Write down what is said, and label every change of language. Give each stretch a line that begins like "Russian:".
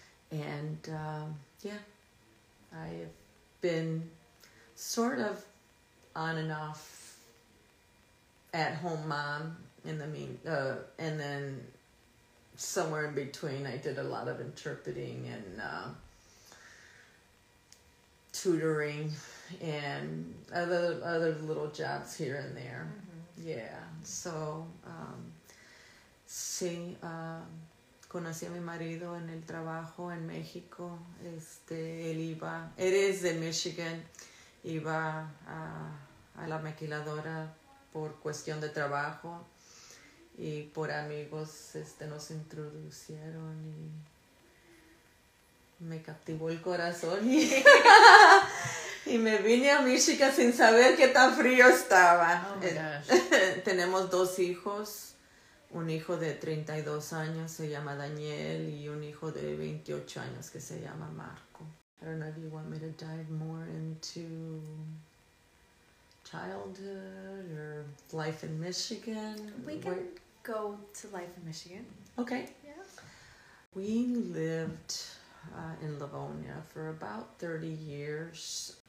English: And I have been sort of on and off at home mom and then somewhere in between I did a lot of interpreting and tutoring and other little jobs here and there. Mm-hmm.
Spanish: Conocí a mi marido en el trabajo en México. Él iba, él es de Michigan, iba a la maquiladora por cuestión de trabajo, y por amigos nos introducieron y me captivó el corazón y y me vine a Michigan sin saber qué tan frío estaba. Tenemos dos hijos, un hijo de 32 años, se llama Daniel, y un hijo de 28 años, que se llama Marco.
English: I don't know if you want me to dive more into childhood or life in Michigan. We can go to life in Michigan. Okay. Yeah. We lived in Livonia for about 30 years.